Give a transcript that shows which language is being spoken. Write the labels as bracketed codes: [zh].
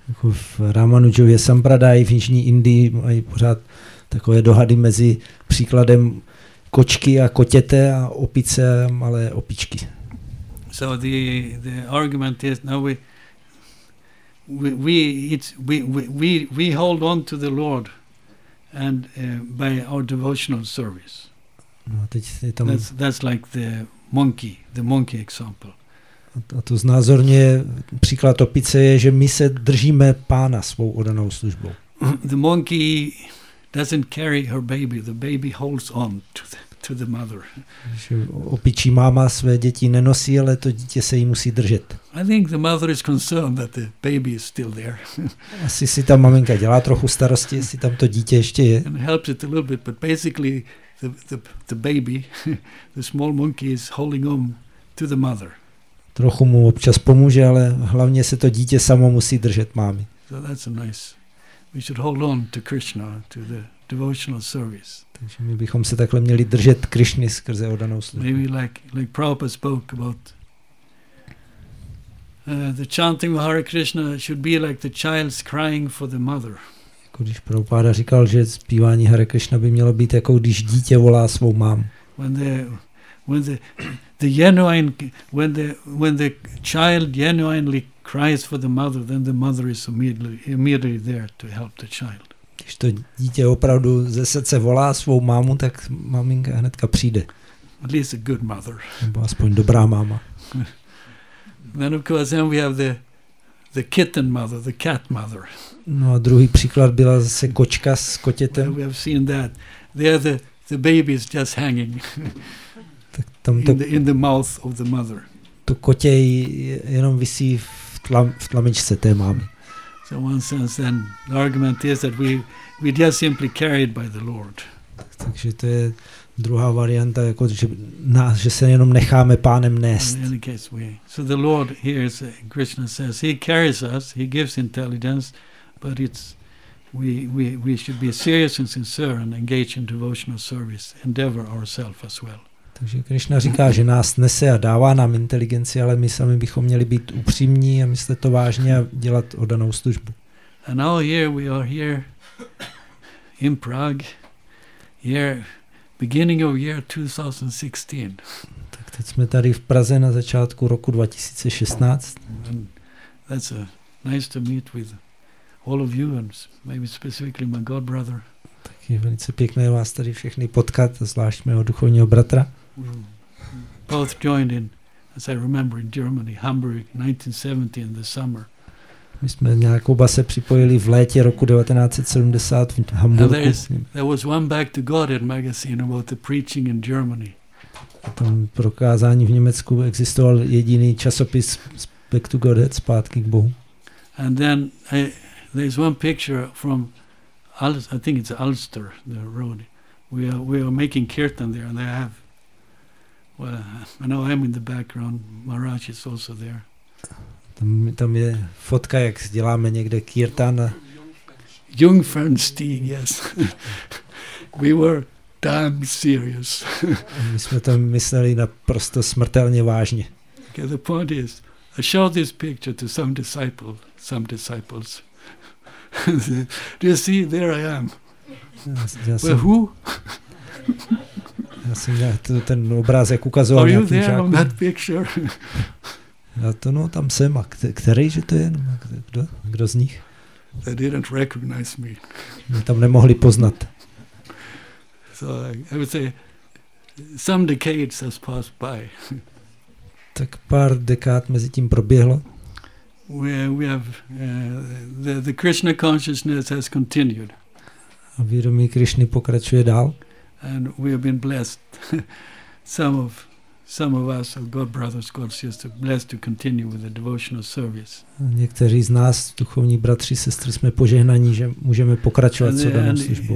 [cs] V Ramanujově Sampradaji v jižní Indii mají pořád takové dohady mezi příkladem kočky a kotěte a opice a malé opičky. [en] So the argument is now we hold on to the Lord. And by our devotional service. [cs] No, teď je tam. [en] That's like the monkey example. [cs] A to znázorně příklad opice je, že my se držíme pána svou oddanou službou. [en] The monkey doesn't carry her baby. The baby holds on to the mother. [cs] Opičí máma své děti nenosí, ale to dítě se jí musí držet. [en] I think the mother is concerned that the baby is still there. [cs] Asi si ta maminka dělá trochu starosti, jestli tam to dítě ještě je. [en] And helps it a little bit, but basically the baby, the small monkey is holding on to the mother. [cs] Trochu mu občas pomůže, ale hlavně se to dítě samo musí držet mámy. [en] So that's a nice. We should hold on to Krishna, to the devotional service. [cs] Takže my bychom se takhle měli držet Krišny skrze oddanou službu. [en] Maybe like Prabhupada spoke about The chanting of Hare Krishna should be like the child's crying for the mother. [cs] Jako když Prabhupada říkal, že zpívání Hare Krishna by mělo být jako když dítě volá svou mám. [en] When the child genuinely cries for the mother, then the mother is immediately there to help the child. [cs] Když to dítě opravdu ze srdce volá svou mámu, tak maminka hnedka přijde. [en] At least a good mother. [cs] Nebo aspoň dobrá máma. [en] Then of course then we have the kitten mother, the cat mother. [cs] No a druhý příklad byla zase kočka s kotětem. [en] Well, we have seen that. There the baby is just hanging. [cs] Tak tam to, [en] in the mouth of the mother. [cs] To kotě jenom visí v tlamičce té mámy. [en] So in one sense then the argument is that we just simply carried by the Lord. [cs] Takže to je druhá varianta, jako že se jenom necháme pánem nést. [en] In any case, so the Lord hears Krishna says he carries us, he gives intelligence, but it's we should be serious and sincere and engage in devotional service, endeavor ourselves as well. [cs] Takže Krishna říká, že nás nese a dává nám inteligenci, ale my sami bychom měli být upřímní a myslet to vážně a dělat oddanou službu. [en] And now here we are here in Prague. Here beginning of year 2016. [cs] Tak teď jsme tady v Praze na začátku roku 2016. [en] That's nice to meet with all of you and maybe specifically my god brother. [cs] Tak je velice pěkné vás tady všechny potkat, zvlášť mého duchovního bratra. [en] Both joined in, as I remember, in Germany, Hamburg, 1970 in the summer. [cs] My jsme nějak oba se připojili v létě roku 1970 v Hamburgu. [en] There was one back to Godhead magazine about the preaching in Germany. [cs] Tam pro kázání v Německu existoval jediný časopis Back to Godhead, zpátky k Bohu. [en] And then there's one picture from I think it's Ulster, the road. We are making kirtan there, and they have. Well, I know I'm in the background. Maharaj is also there. [cs] Tam je fotka, jak děláme někde kirtan. [en] Jungfernstein, yes. We were damn serious. [cs] My jsme tam mysleli naprosto smrtelně vážně. [en] Okay, the point is, I showed this picture to some disciples. Do you see, there I am. Well, who? [cs] Já jsem ten obrázek ukazoval. [en] Are you there [cs] žákům [en] on that picture? [cs] A to no, tam jsem. A který, že to je? Kdo z nich? [en] They didn't recognize me. [cs] Mě tam nemohli poznat. [en] So I would say some decades has passed by. [cs] Tak pár dekád mezi tím proběhlo. [en] We have the Krishna consciousness has continued. [cs] A vědomí Krishny pokračuje dál. [en] And we have been blessed. Some of us are God brothers, God sisters, blessed to continue with the devotional service. [cs] Někteří z nás, duchovní bratři, sestry, jsme požehnaní, že můžeme pokračovat s danou službou.